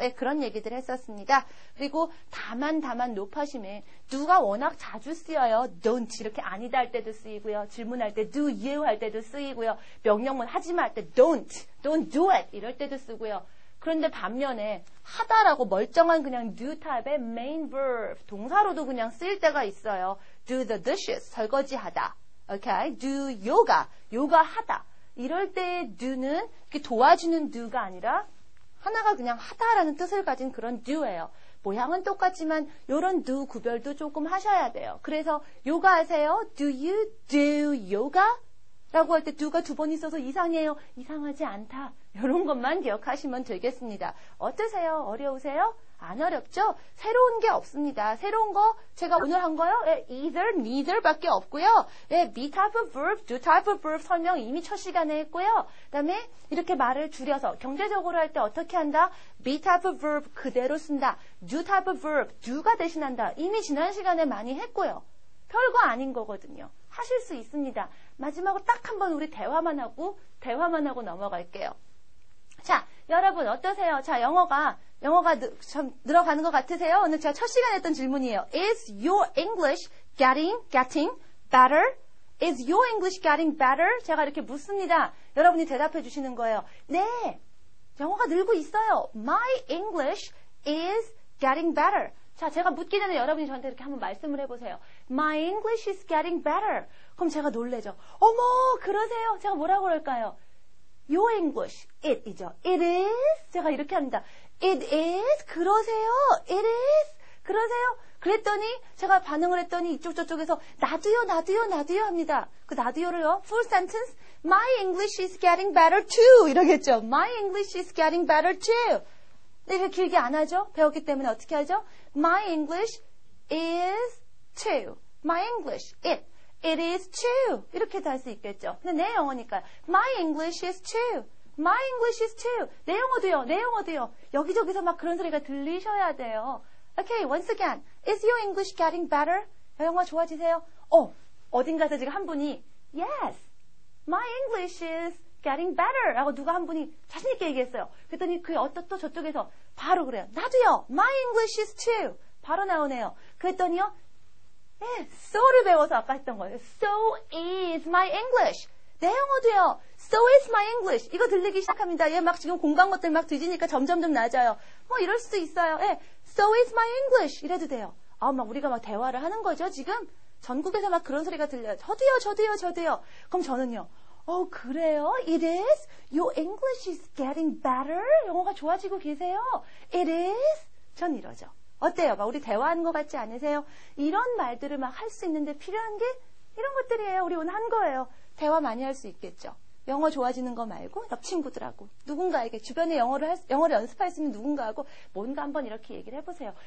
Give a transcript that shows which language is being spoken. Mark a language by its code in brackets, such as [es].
[ko] 예, 그런 얘기들 했었습니다. 그리고 다만 높아심에 do가 워낙 자주 쓰여요. don't 이렇게 아니다 할 때도 쓰이고요. 질문할 때 do you 할 때도 쓰이고요. 명령문 하지마 할 때 [en] don't do it [ko] 이럴 때도 쓰고요. 그런데 반면에 하다라고 멀쩡한 그냥 do 타입의 main verb 동사로도 그냥 쓰일 때가 있어요. do the dishes 설거지하다. okay? do yoga 요가하다. 이럴 때 do는 도와주는 do가 아니라 하나가 그냥 하다라는 뜻을 가진 그런 do예요. 모양은 똑같지만 이런 do 구별도 조금 하셔야 돼요. 그래서 요가 하세요. [en] do you do yoga? [ko] 라고 할 때 do가 두 번 있어서 이상해요. 이상하지 않다. 이런 것만 기억하시면 되겠습니다. 어떠세요? 어려우세요? 안 어렵죠? 새로운 게 없습니다. 새로운 거 제가 오늘 한 거요? 예, either, neither 밖에 없고요. 예, be type of verb, do type of verb 설명 이미 첫 시간에 했고요. 그 다음에 이렇게 말을 줄여서 경제적으로 할 때 어떻게 한다? be type of verb 그대로 쓴다. do type of verb, do가 대신한다. 이미 지난 시간에 많이 했고요. 별거 아닌 거거든요. 하실 수 있습니다. 마지막으로 딱 한번 우리 대화만 하고 넘어갈게요. 자, 여러분 어떠세요? 자, 영어가 좀 늘어가는 것 같으세요? 오늘 제가 첫 시간에 했던 질문이에요. [en] Is your English getting better? Is your English getting better? [ko] 제가 이렇게 묻습니다. 여러분이 대답해 주시는 거예요. 네, 영어가 늘고 있어요. [en] My English is getting better. [ko] 자, 제가 묻기 전에 여러분이 저한테 이렇게 한번 말씀을 해보세요. [en] My English is getting better. [ko] 그럼 제가 놀래죠. 어머, 그러세요? 제가 뭐라고 그럴까요? [en] Your English, it이죠. It is, [ko] 제가 이렇게 합니다. [en] It is, [ko] 그러세요? [en] It is, 그러세요? [ko] 그랬더니 제가 반응을 했더니 이쪽 저쪽에서 나도요 합니다. 그 나도요를요, [en] full sentence, My English is getting better too, [ko] 이러겠죠. [en] My English is getting better too. [ko] 이렇게 길게 안 하죠? 배웠기 때문에 어떻게 하죠? [en] My English is too. My English, it. It is too. [ko] 이렇게 할 수 있겠죠. 근데 내 영어니까요. [en] My English is too. My English is too. [ko] 내 영어도요. 여기저기서 막 그런 소리가 들리셔야 돼요. [en] Okay, once again. Is your English getting better? [ko] 영어 좋아지세요? 어딘가서 지금 한 분이 [en] Yes, my English is getting better [ko] 라고 누가 한 분이 자신있게 얘기했어요. 그랬더니 그 어떤 또 저쪽에서 바로 그래요. 나도요. [en] My English is too. [ko] 바로 나오네요. 그랬더니요. so를 배워서 아까 했던 거예요. [en] So is my English. [ko] 내 영어도요. [en] So is my English. [ko] 이거 들리기 시작합니다. 얘 막 지금 공간 것들 막 뒤지니까 점점 낮아요. 뭐 이럴 수도 있어요. 예, [en] so is my English. [ko] 이래도 돼요. 아, 막 우리가 막 대화를 하는 거죠, 지금? 전국에서 막 그런 소리가 들려요. 저도요, 저도요, 저도요. 그럼 저는요. 어, 그래요? [en] It is? Your English is getting better? [ko] 영어가 좋아지고 계세요? [en] It is? [ko] 전 이러죠. 어때요? 막 우리 대화하는 것 같지 않으세요? 이런 말들을 막 할 수 있는데 필요한 게 이런 것들이에요. 우리 오늘 한 거예요. 대화 많이 할 수 있겠죠. 영어 좋아지는 거 말고 옆 친구들하고 누군가에게 주변에 영어를 연습할 수 있는 누군가하고 뭔가 한번 이렇게 얘기를 해보세요.